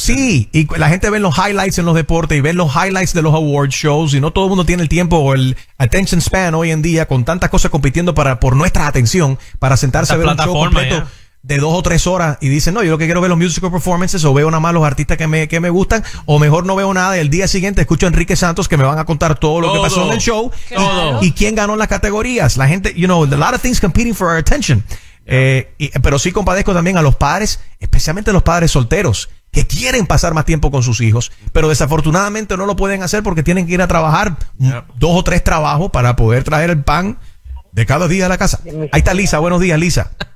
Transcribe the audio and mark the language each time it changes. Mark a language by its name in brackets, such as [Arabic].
[Spanish] Sí, y la gente ve los highlights en los deportes y ve los highlights de los award shows, y no todo el mundo tiene el tiempo o el attention span hoy en día, con tantas cosas compitiendo por nuestra atención, para sentarse a ver un show completo de 2 o 3 horas y dicen, no, yo lo que quiero ver los [English] musical performances, [Spanish] o veo nada más los artistas que me gustan, o mejor no veo nada, y el día siguiente escucho a Enrique Santos que me van a contar todo lo que pasó en el show y quién ganó las categorías. La gente, [English] you know, a lot of things competing for our attention. [Spanish] Pero sí compadezco también a los padres, especialmente los padres solteros, que quieren pasar más tiempo con sus hijos, pero desafortunadamente no lo pueden hacer porque tienen que ir a trabajar 2 o 3 trabajos para poder traer el pan de cada día a la casa. Ahí está Lisa, buenos días, Lisa.